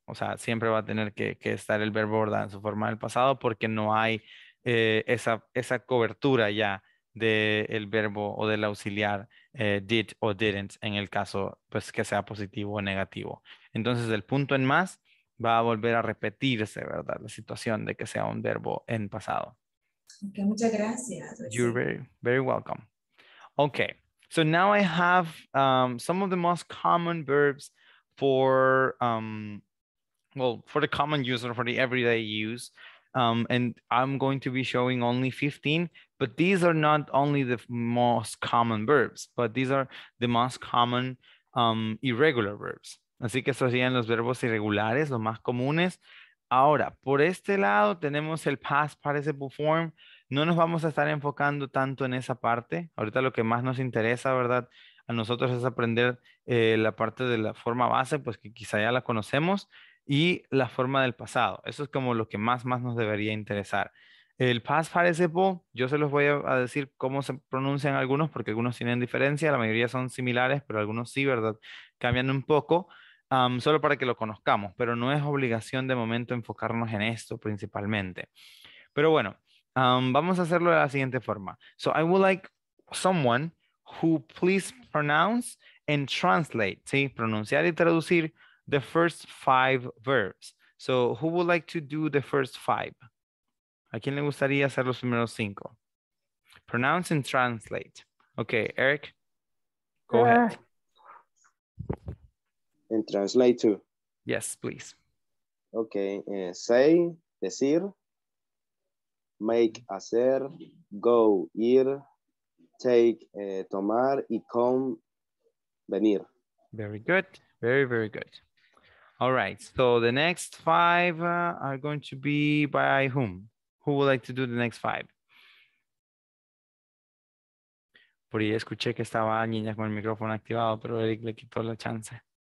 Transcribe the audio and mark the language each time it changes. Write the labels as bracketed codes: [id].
[es] O sea, siempre va a tener que estar el verbo ¿verdad? En su forma del pasado porque no hay esa cobertura ya del verbo o del auxiliar did o didn't en el caso pues, que sea positivo o negativo. Entonces, el punto en más va a volver a repetirse, ¿verdad? La situación de que sea un verbo en pasado. Ok, muchas gracias. [en] You're very, very welcome. Ok, so now I have some of the most common verbs for the common user, for the everyday use. And I'm going to be showing only 15, but these are not only the most common verbs, but these are the most common irregular verbs. [es] Así que estos serían los verbos irregulares, los más comunes. Ahora, por este lado tenemos el past participle form. No nos vamos a estar enfocando tanto en esa parte. Ahorita lo que más nos interesa, ¿verdad?, a nosotros es aprender la parte de la forma base, pues que quizá ya la conocemos, y la forma del pasado. Eso es como lo que más nos debería interesar. El past participle, yo se los voy a decir cómo se pronuncian algunos, porque algunos tienen diferencia, la mayoría son similares, pero algunos sí, ¿verdad?, cambian un poco, solo para que lo conozcamos, pero no es obligación de momento enfocarnos en esto principalmente. Pero bueno, vamos a hacerlo de la siguiente forma. [en] So I would like someone who please pronounce and translate, ¿sí?, [es] pronunciar y traducir [en] the first five verbs. So who would like to do the first five? [es] ¿A quién le gustaría hacer los primeros cinco? [en] Pronounce and translate. Okay, Eric, go ahead. And translate too. Yes, please. Okay, say, decir, make, hacer, go, ir, take, tomar, y con, venir. Very good. Very, very good. All right. So the next five are going to be by whom? Who would like to do the next five? [es] Por ahí escuché que estaba niña con el micrófono activado, pero Eric le quitó la chance.